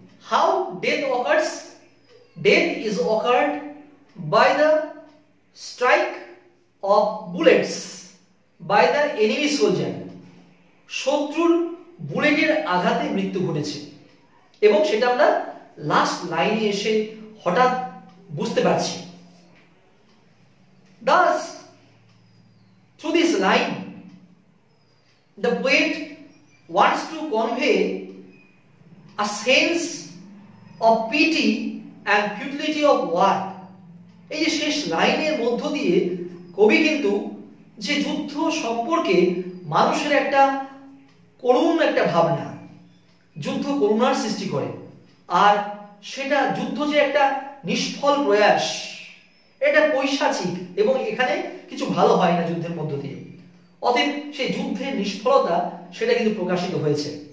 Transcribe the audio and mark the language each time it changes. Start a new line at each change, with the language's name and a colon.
English: How death occurs? Death is occurred by the strike of bullets by the enemy soldier.
Bangla: শত্রুর বুলেটের আঘাতে মৃত্যু ঘটেছে, এবং সেটা আমরা লাস্ট লাইনে এসে হঠাৎ বুঝতে পারছি।
English: Thus, through this line, the poet wants to convey a sense of pity and futility of war.
Bangla: এই যে শেষ লাইনের মধ্য দিয়ে কবি কিন্তু যে যুদ্ধ সম্পর্কে মানুষের একটা করুণ একটা ভাবনা, যুদ্ধ করুণার সৃষ্টি করে, আর সেটা যুদ্ধ যে একটা নিষ্ফল প্রয়াস, এটা পৈশাচিক এবং এখানে কিছু ভালো হয় না যুদ্ধের মধ্য দিয়ে, অতএব সেই যুদ্ধের নিষ্ফলতা সেটা কিন্তু প্রকাশিত হয়েছে।